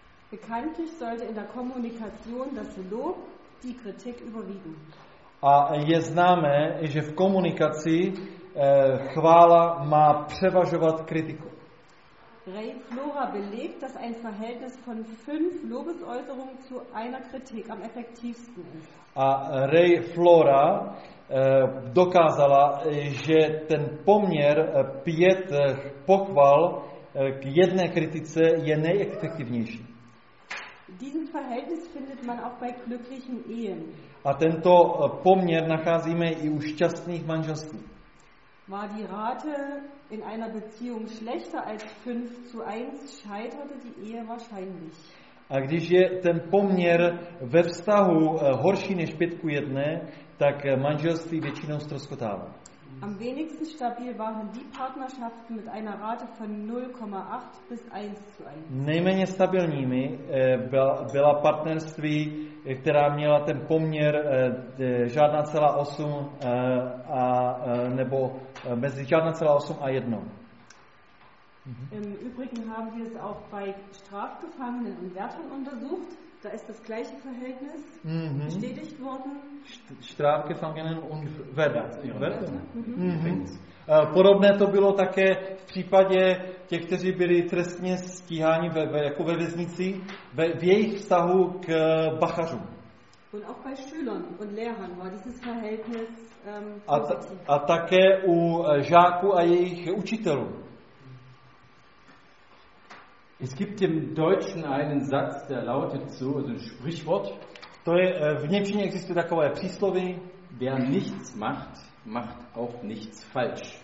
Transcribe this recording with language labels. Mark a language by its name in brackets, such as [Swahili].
[German] Bekanntlich sollte in der Kommunikation das Lob die Kritik überwiegen. [Czech] A je známé, že v komunikaci chvála má převažovat kritiku. [German] Ray Flora belegt, dass ein Verhältnis von 5 Lobesäußerungen zu einer Kritik am effektivsten ist. [Czech] A Ray Flora dokázala, že ten poměr 5 pochval k jedné kritice je nejefektivnější. [German] Diesen Verhältnis findet man auch bei glücklichen Ehen. [Czech] A tento poměr nacházíme i u šťastných manželství. [German] War die Rate in einer Beziehung schlechter als 5:1, scheiterte die Ehe wahrscheinlich. [Czech] A když je ten poměr ve vztahu horší než 5:1, tak manželství většinou ztroskotává. [German] Am wenigsten stabil waren die Partnerschaften mit einer Rate von 0,8 bis 1:1. [Czech] Nejméně stabilními byla partnerství, která měla ten poměr žádná celá 8 a nebo mezi žádná celá 8 a 1. [German] Im Übrigen haben wir es auch bei Strafgefangenen und Wärtern untersucht. Da ist das gleiche Verhältnis bestätigt worden. Strafgefangenen und Wärtern. [Czech] Podobné to bylo také v případě těch, kteří byli trestně stíháni jako ve věznici, v jejich vztahu k bachařům. [German] Und auch bei Schülern und Lehrern war dieses Verhältnis [Czech] a také u žáků a jejich učitelů. [German] Es gibt im Deutschen einen Satz, der lautet so, also ein Sprichwort. [Czech] To je, v němčině existuje takové přísloví. [German] Wer nichts macht, macht auch nichts falsch.